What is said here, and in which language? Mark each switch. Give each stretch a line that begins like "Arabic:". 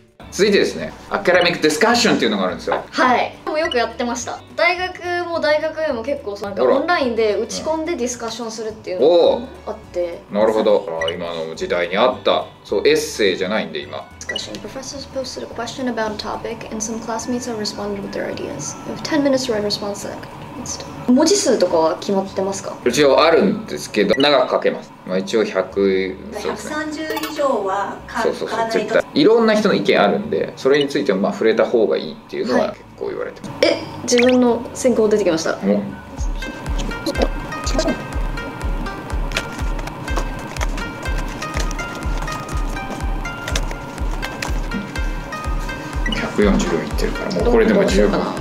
Japanese: 続いてですね、アカデミックディスカッションっていうのがあるんですよ。はい、もよくやってました。大学も大学院も結構なんかオンラインで打ち込んでディスカッションするっていうのがあって。なるほど、今の時代にあった。そう、エッセイじゃないんで今。
English: Discussion. Professors posted a question about a topic and some classmates have responded with their ideas. We have 10 minutes to write a response to that.
Japanese: 文字数とかは決まってますか？一応あるんですけど、長く書けます。まあ、一応100、ね、130以上は書かないと。そうそうそう、絶対。いろんな人の意見あるんで、それについてもまあ触れた方がいいっていうのは結構言われてます。はい、自分の選考出てきました。うん、140秒いってるから、もうこれでも十分。